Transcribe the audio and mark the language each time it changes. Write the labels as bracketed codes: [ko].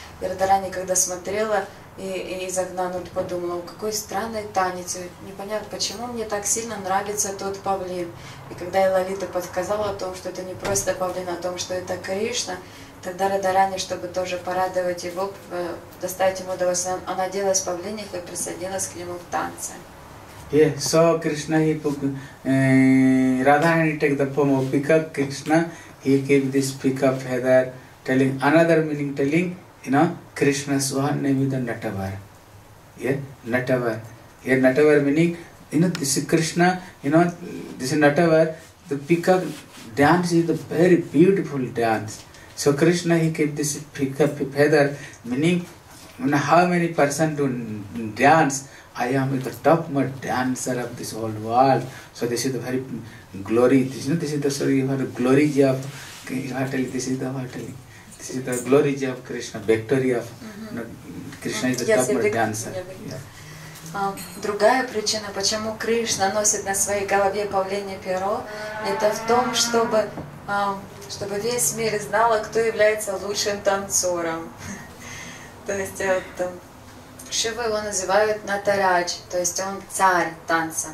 [ru] И Радхарани, когда смотрела, и из окна подумала, какой странный танец, непонятно, почему мне так сильно нравится тот павлин. И когда Лалита подсказала о том, что это не просто павлин, а о том, что это Кришна, тогда Радхарани, чтобы тоже порадовать его, доставить ему удовольствие, она оделась в павлиньях и присоединилась к нему в танце. [en] Yeah, so Krishna, Radharani take the form of peacock, Krishna, he gave this peacock feather, telling another meaning, telling, you know, Krishna's one name is the Natavar. Yeah, Natavar. Yeah, Natavar meaning, you know, this is Krishna, you know, this is Natavar. The peacock dance is a very beautiful dance. So Krishna, he gave this peacock feather, meaning, you know, how many person do dance? I am the topmost dancer of this whole world. So this is the very glory, this, you know, this is the story of the glory of, this is the heartily. This is the glory of Krishna, victory of Krishna is the topmost dancer. [ru] Другая причина, почему Кришна носит на своей голове павлинье перо, это в том, чтобы весь мир знал, кто является лучшим танцором. То есть Шива его называют Натарадж, то есть он царь танца.